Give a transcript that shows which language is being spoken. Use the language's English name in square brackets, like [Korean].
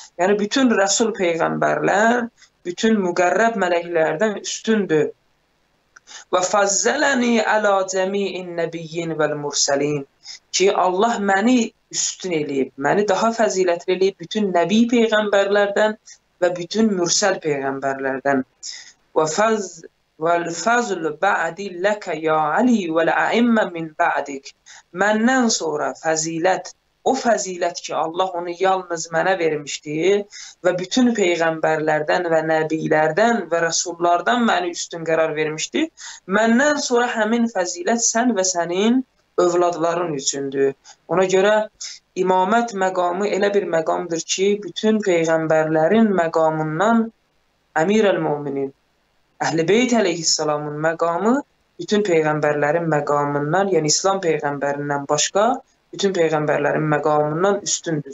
[Azerbaijani] Yəni bütün rəsul peyğəmbərlər bütün müqərrəb mələklərdən üstündür. Və [Arabic] fəzzələni əla cəmiin nəbiyyin vəl mürsəlin [Azerbaijani] ki, Allah məni üstün eləyib, məni daha fəzilətli eləyib bütün nəbi peyğəmbərlərdən və bütün mürsəl peyğəmbərlərdən. [Arabic] وَالْفَضْلُ بَعْدِي لَكَ يَا عَلِي وَالْاَئِمَّ مِنْ بَعْدِكَ [Azerbaijani] Məndən sonra fəzilət O fəzilət ki, Allah onu yalnız mənə vermişdi və bütün peyğəmbərlərdən və nəbilərdən və rəsullardan məni üstün qərar vermişdi, məndən sonra həmin fəzilət sən və sənin övladların üçündür. Ona görə imamət məqamı elə bir məqamdır ki, bütün peyğəmbərlərin məqamından Əmirəl-Möminin, Əhl-Beyt əleyhissalamın məqamı bütün peyğəmbərlərin məqamından, yəni İslam peyğəmbərindən başqa bütün peyğəmbərlərin məqamından üstündür.